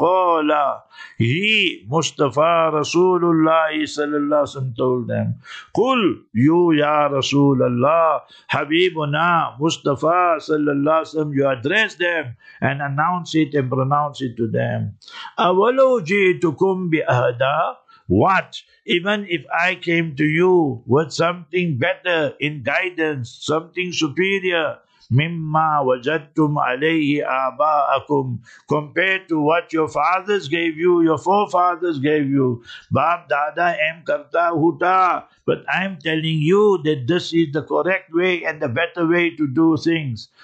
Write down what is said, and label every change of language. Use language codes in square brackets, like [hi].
[en] قَالَ He, Mustafa, Rasulullah sallallahu alayhi wa sallam told them, قُلْ You, Ya Rasulullah, Habibuna, Mustafa sallallahu alayhi wa sallam, you address them and announce it and pronounce it to them. [ar] أَوَلَوْ جِئْتُكُمْ بِأَهْدَى What? [en] Even if I came to you with something better in guidance, something superior, [ar] mimma wajadtum alayhi aba'akum, [en] compared to what your fathers gave you, your forefathers gave you, [ur] bab dada em karta huta, [en] but I'm telling you that this is the correct way and the better way to do things.